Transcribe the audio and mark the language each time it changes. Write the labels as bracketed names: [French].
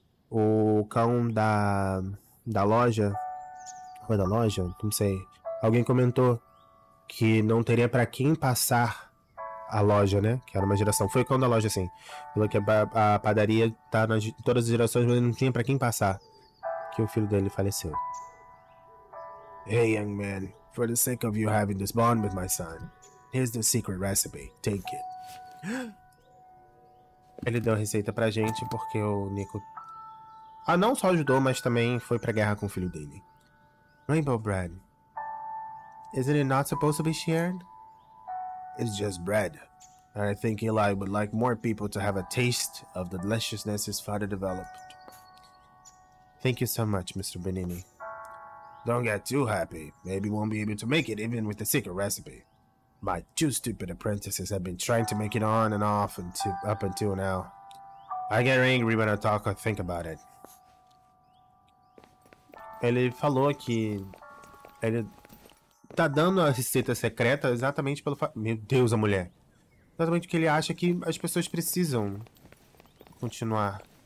[Portuguese] O cão da loja, não sei. Alguém comentou que não teria pra quem passar a loja, né? Que era uma geração. Foi quando a loja, assim. Falou que a padaria tá nas todas as gerações, mas não tinha pra quem passar. Que o filho dele faleceu. [English] Hey, young man. For the sake of you having this bond with my son, here's the secret recipe. Take it. Ele deu a receita pra gente porque o Nico... Ah, não só ajudou, mas também foi pra guerra com o filho dele. Rainbow bread. Isn't it not supposed to be shared? It's just bread. and I think Eli would like more people to have a taste of the deliciousness his father developed. Thank you so much, Mr. Benini. Don't get too happy. Maybe won't be able to make it even with the secret recipe. My two stupid apprentices have been trying to make it on and off up until now. I get angry when I talk or think about it. [Portuguese] Ele falou que ele tá dando a receita secreta exatamente pelo fato... Meu Deus, a mulher. Exatamente porque ele acha que as pessoas precisam continuar.